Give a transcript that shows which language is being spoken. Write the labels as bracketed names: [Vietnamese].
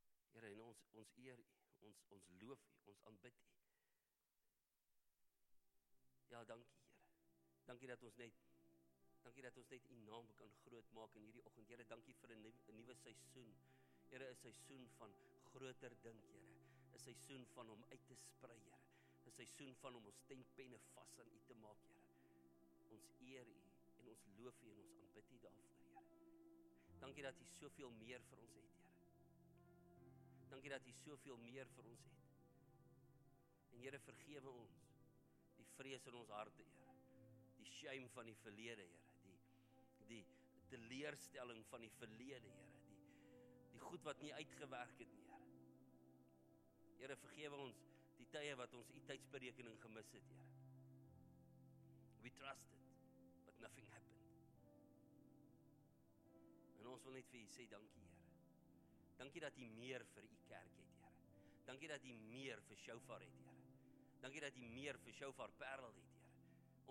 [Afrikaans] Here, en ons eer u, ons loof u, ons aanbid u. Ja, dankie Here. Dankie dat ons net u naam kan groot maak in hierdie oggend. Here, dankie vir 'n nuwe seisoen. Here, 'n seisoen van groter dink, Here. 'N seisoen van om uit te sprei, Here. 'N seisoen van om ons tentpenne vas aan u te maak, Here. Ons eer u. En ons loof u en ons aanbid u daarvoor, Here. Dankie dat u soveel meer vir ons het, Here. Dankie dat u soveel meer vir ons het. En Here, vergewe ons die vrees in ons harte, Here. Die shame van die verlede, Here. Die teleurstelling van die verlede, Here. Die goed wat nie uitgewerk het nie, Here. Here, vergewe ons die tye wat ons u tydsberekening gemis het, Here. [English] We trust it. But nothing happened. [Afrikaans] En ons wil net vir u sê dankie, Here. Dankie dat u meer vir u kerk het, Here. Dankie dat u meer vir Shofar het, Here. Dankie dat u meer vir Shofar Parel het, Here.